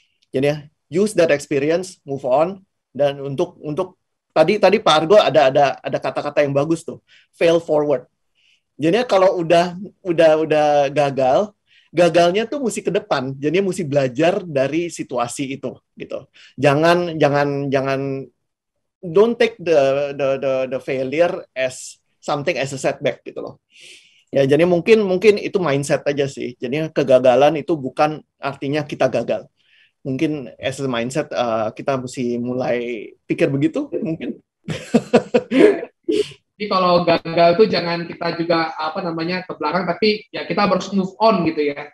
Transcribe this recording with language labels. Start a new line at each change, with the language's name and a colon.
Indonesian: Jadinya
English: use that experience, move on,
Indonesian: dan untuk tadi Pak Argo ada kata-kata yang bagus tuh,
English: fail forward.
Indonesian: Jadinya kalau udah gagal, gagalnya tuh mesti ke depan. Jadinya mesti belajar dari situasi itu gitu. Jangan
English: don't take the failure as something as a setback
Indonesian: gitu loh. Ya, jadi mungkin itu mindset aja sih. Jadinya kegagalan itu bukan artinya kita gagal. Mungkin
English: as a mindset
Indonesian: kita mesti mulai pikir begitu mungkin. Jadi kalau gagal tuh jangan kita juga apa namanya ke belakang, tapi ya kita harus
English: move on
Indonesian: gitu ya.